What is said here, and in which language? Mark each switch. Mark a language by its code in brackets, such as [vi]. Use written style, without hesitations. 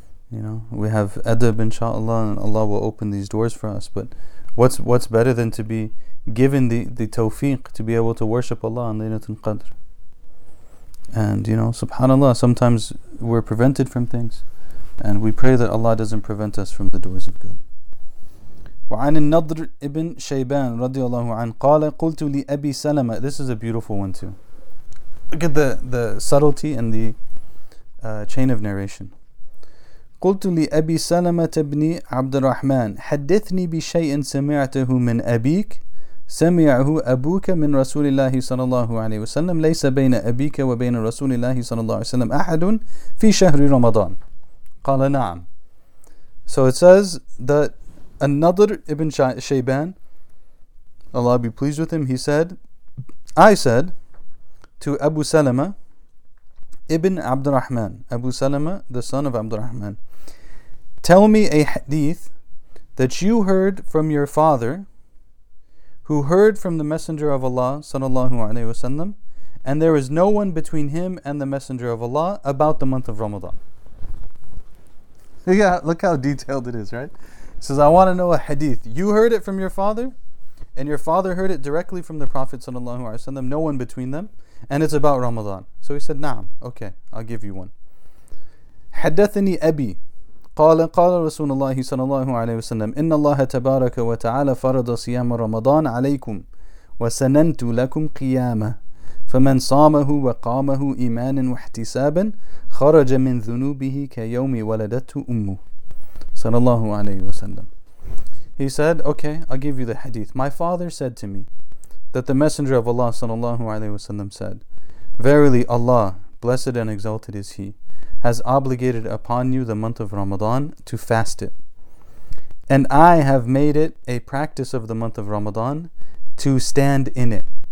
[en] You know, we have adab inshaAllah, and Allah will open these doors for us. But what's better than to be given the tawfiq to be able to worship Allah on Laylatul Qadr? And you know, subhanAllah, sometimes we're prevented from things, and we pray that Allah doesn't prevent us from the doors of good. [ar] وعن النضر ابن شيبان رضي الله عنه قال قلت لأبي سلمة. [en] This is a beautiful one too. Look at the subtlety and the chain of narration. [ar] قلت لأبي سلمة بن عبد الرحمن حدثني بشيء سمعته من أبيك سمعه أبوك من رسول الله صلى الله عليه وسلم ليس بين أبيك وبين رسول الله صلى الله عليه وسلم أحد في شهر رمضان. قال نعم. [en] So it says that another Ibn Shayban, Allah be pleased with him, he said, I said to Abu Salama Ibn Abd al-Rahman, Abu Salama, the son of Abd al-Rahman, tell me a hadith that you heard from your father, who heard from the Messenger of Allah, sallallahu alayhi wa sallam, and there is no one between him and the Messenger of Allah about the month of Ramadan. Yeah, look how detailed it is, right? It says, I want to know a hadith. You heard it from your father, and your father heard it directly from the Prophet sallallahu alayhi wa sallam, no one between them, and it's about Ramadan. So he said, Naam, okay, I'll give you one. [ar] حدثني أبي قال رسول الله صلى الله عليه وسلم إن الله تبارك وتعالى فرض صيام رمضان عليكم وسننت لكم قيامه فمن صامه وقامه إيمانا واحتسابا خرج من ذنوبه كيوم ولدته أمه صلى الله عليه وسلم. [en] He said, okay, I'll give you the hadith. My father said to me that the Messenger of Allah sallallahu alayhi wasallam said, verily Allah, blessed and exalted is He, has obligated upon you the month of Ramadan to fast it. And I have made it a practice of the month of Ramadan to stand in it.